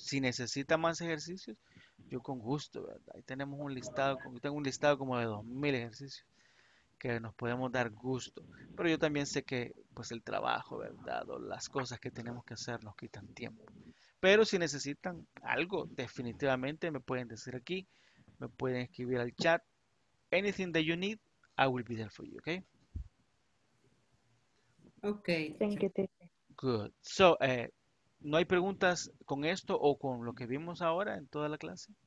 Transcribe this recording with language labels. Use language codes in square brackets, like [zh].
[es] Si necesita más ejercicios, yo con gusto, ¿verdad? Ahí tenemos un listado, yo tengo un listado como de 2,000 ejercicios que nos podemos dar gusto. Pero yo también sé que pues el trabajo, ¿verdad? O las cosas que tenemos que hacer nos quitan tiempo. Pero si necesitan algo, definitivamente me pueden decir aquí, me pueden escribir al chat. [en] Anything that you need, I will be there for you, okay? Okay. Thank you. Good. [es] So, ¿no hay preguntas con esto o con lo que vimos ahora en toda la clase?